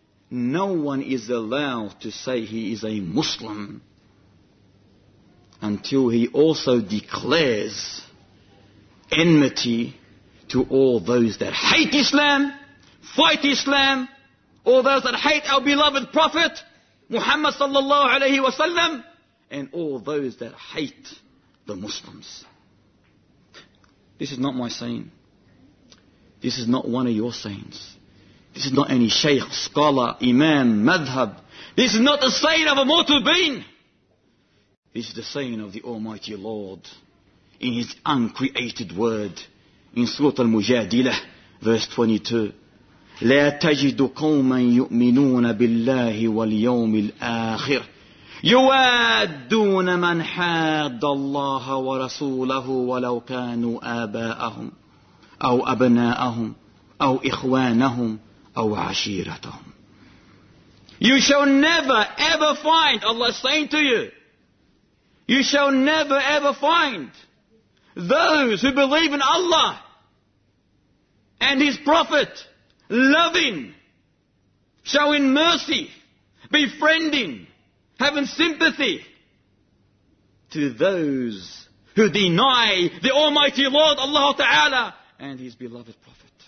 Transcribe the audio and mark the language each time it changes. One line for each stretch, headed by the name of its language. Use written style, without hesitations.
English: No one is allowed to say he is a Muslim until he also declares enmity to all those that hate Islam, fight Islam, all those that hate our beloved Prophet Muhammad sallallahu alayhi wa sallam, and all those that hate the Muslims. This is not my saying. This is not one of your sayings. This is not any shaykh, scholar, imam, madhab. This is not the saying of a mortal being. This is the saying of the Almighty Lord in His uncreated word in Surah Al-Mujadilah, verse 22.
Arabic: لا تجد قوما يؤمنون بالله واليوم الآخر يوادون من حاد الله ورسوله ولو كانوا آباءهم أو أبناءهم أو إخوانهم أو عشيرتهم.
English: You shall never ever find, Allah is saying to you, you shall never ever find those who believe in Allah and His Prophet, loving, showing mercy, befriending, having sympathy to those who deny the Almighty Lord Allah Ta'ala and His beloved Prophet.